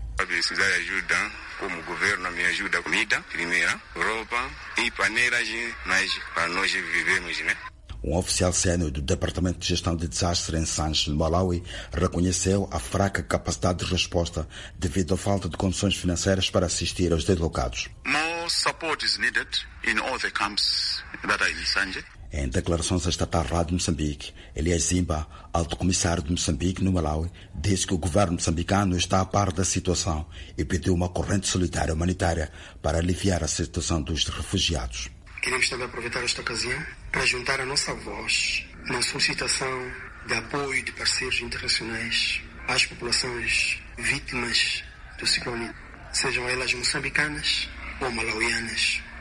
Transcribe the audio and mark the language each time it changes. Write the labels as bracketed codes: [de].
[pt] Eu preciso de ajuda, como o governo me ajuda, comida, primeira, roupa e paneiras para nós vivermos, né? Um oficial sénior do Departamento de Gestão de Desastres em Sanche, no Malawi, reconheceu a fraca capacidade de resposta devido à falta de condições financeiras para assistir aos deslocados. [en] More support is needed in all the camps that are in Sanche. [pt] Em declarações à Estatal Rádio Moçambique, Elias Zimba, alto comissário de Moçambique no Malawi, disse que o governo moçambicano está a par da situação e pediu uma corrente solidária humanitária para aliviar a situação dos refugiados. Queremos também aproveitar esta ocasião para juntar a nossa voz na solicitação de apoio de parceiros internacionais às populações vítimas do ciclone, sejam elas moçambicanas ou malauianas.